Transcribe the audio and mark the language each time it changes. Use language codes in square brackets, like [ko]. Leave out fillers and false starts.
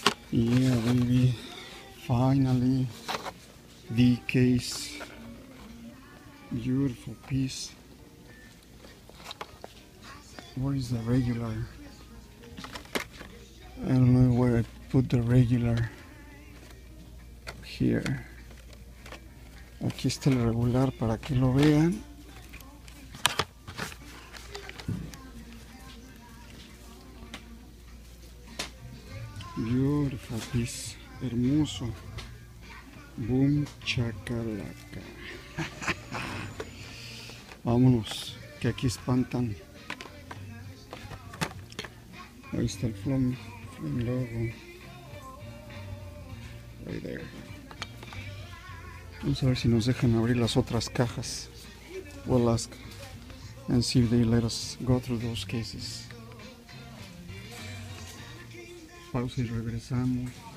[en] Yeah, baby. Finally, the case. Beautiful piece. Where is the regular? I don't know where I put the regular. Here. [es] Aquí está el regular para que lo vean. [en] Beautiful piece. Hermoso. Boom chacalaca. [es] Vámonos, que aquí espantan. Ahí está el flum logo. [en] Right there. [es] Vamos a ver si nos dejan abrir las otras cajas. [en] We'll ask and see if they let us go through those cases. [es] Pausa y regresamos.